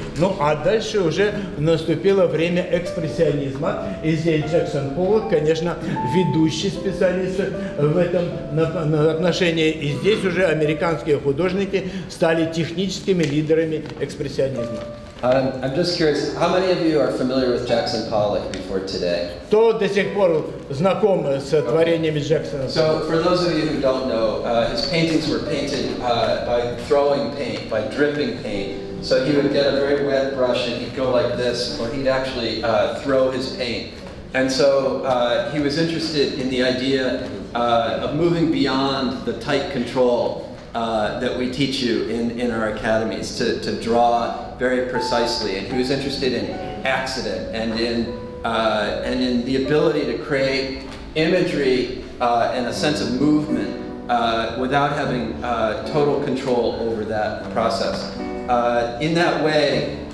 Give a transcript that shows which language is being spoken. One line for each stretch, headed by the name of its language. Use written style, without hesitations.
Russian: Ну, а дальше уже наступило время экспрессионизма. И здесь Джексон Поллок, конечно, ведущий специалист в этом отношении. И здесь уже американские художники стали техническими лидерами экспрессионизма.
English: I'm just curious, how many of you are familiar with Jackson Pollock before today?
Russian: Кто до сих пор знаком с творениями Джексона?
English: So, for those of you who don't know, his paintings were painted by throwing paint, by dripping paint. So he would get a very wet brush and he'd go like this, or he'd actually throw his paint. And so he was interested in the idea of moving beyond the tight control that we teach you in our academies to draw very precisely, and he was interested in accident and in the ability to create imagery and a sense of movement without having total control over that process. In that way,